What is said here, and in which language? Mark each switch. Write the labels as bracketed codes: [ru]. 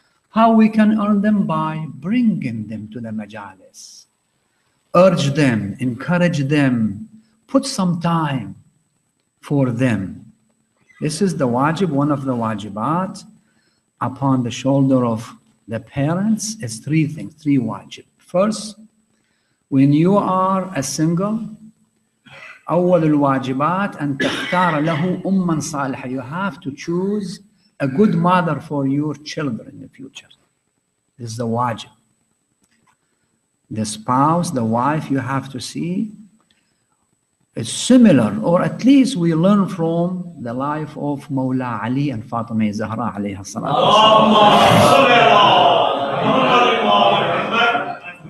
[en] How we can earn them? By bringing them to the majalis. Urge them, encourage them, put some time for them. This is the wajib, one of the wajibat upon the shoulder of the parents is three things, three wajib. First, when you are a single, [ar] أول الواجبات أن تختار له أما صالحة. [en] You have to choose a good mother for your children in the future. This is the wajib. The spouse, the wife, you have to see is similar, or at least we learn from the life of Mawla Ali and Fatima Zahra alayha salatu wasalam.